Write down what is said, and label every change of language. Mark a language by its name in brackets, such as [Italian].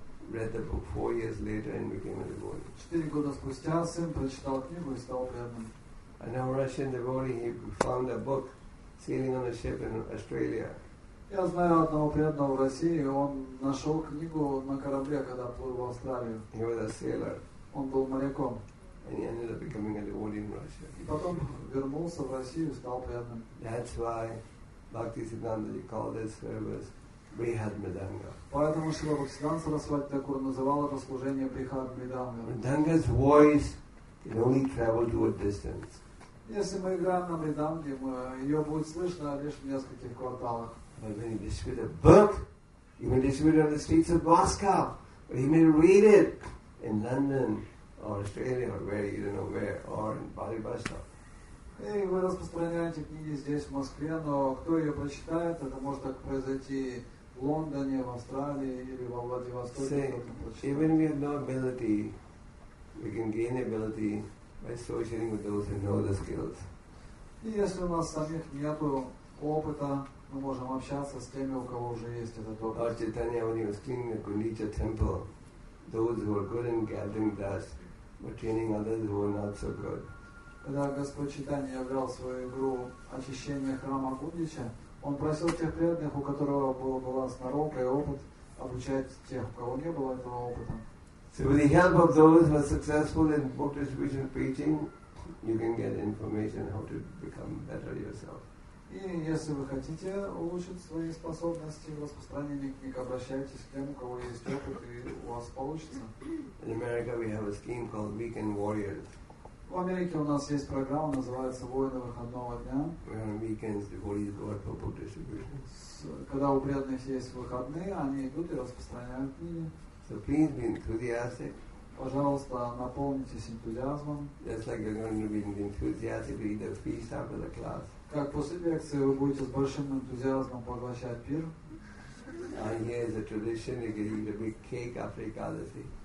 [English] read the book 4 years later and became a devotee. [Russian] 4 года спустя сын прочитал книгу и стал преданным. [English] And now Russian devotee, he found a book sailing on a ship in Australia. [Russian] Я знаю одного преданного в России, он нашел книгу на корабле, когда плыл в Австралию. [English] He was a sailor. [Russian] Он был моряком. [English] And he ended up becoming a devotee in Russia. [Russian] И потом вернулся в Россию и стал преданным. [English] That's why Bhaktisiddhanta called this service Brihad Mridanga. [Russian] Поэтому Шрила Бхактисиддханта Сарасвати Такур называл это служение Брихад Мриданга. [English] Mridanga's voice can only travel to a distance. [Russian] Если мы играем на мриданге, ее будет слышно лишь в нескольких кварталах. [English] But when you distribute a book, you can distribute it on the streets of Moscow, or you may read it in London or Australia or where you don't know where, or in Bali Bashta. [Russian] Hey, вы распространяете книги здесь в Москве, но кто ее прочитает, это может так произойти в Лондоне, в Австралии или во Владивостоке. [English] See, even if we have no ability, we can gain ability by associating with those who know the skills. [Russian] И если у нас самих нету опыта, мы можем общаться с теми, у кого уже есть этот опыт. [English] Lord Chaitanya, when he was cleaning the Gundicha temple, those who were good in gathering dust were training others who were not so good. [Russian] Когда Господь Чайтанья играл свою игру очищения храма Гундича, он просил тех преданных, у которого был баланс на рука и опыт, обучать тех, у кого не было этого опыта. [English] So with the help of those who are successful in book distribution preaching, you can get information how to become better yourself. [Russian] И если вы хотите улучшить свои способности в распространении книг, обращайтесь к тем, у кого есть опыт, и у вас получится. [English] In America we have a scheme called Weekend Warriors. [Russian] В Америке у нас есть программа, называется «Воины выходного дня». [English] Where on weekends devotees go out for book distribution. [Russian] Когда у преданных есть выходные, они идут и распространяют книги. [English] So please be enthusiastic. [Russian] Пожалуйста, наполнитесь энтузиазмом. [English] Just like you're going to be enthusiastic to eat the feast after the class. [Russian] Как после лекции вы будете с большим энтузиазмом поглощать пир. [English] And here is a tradition, you can eat a big cake after Ekadasi.